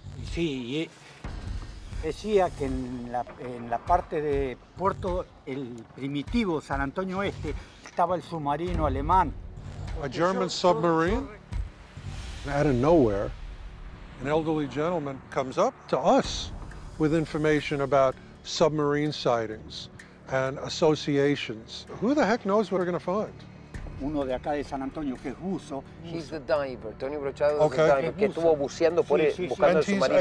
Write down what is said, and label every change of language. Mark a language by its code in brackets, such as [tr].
[es] Sí, decía que en la parte de Puerto el primitivo San Antonio Este. [en] A German submarine? Out of nowhere, an elderly gentleman comes up to us with information about submarine sightings and associations. Who the heck knows what we're going to find? [es] Uno de acá de San Antonio, que es buzo. [en] He's the diver. Tony Brochado is the diver. [es] Que estuvo buceando por él, buscando su marido.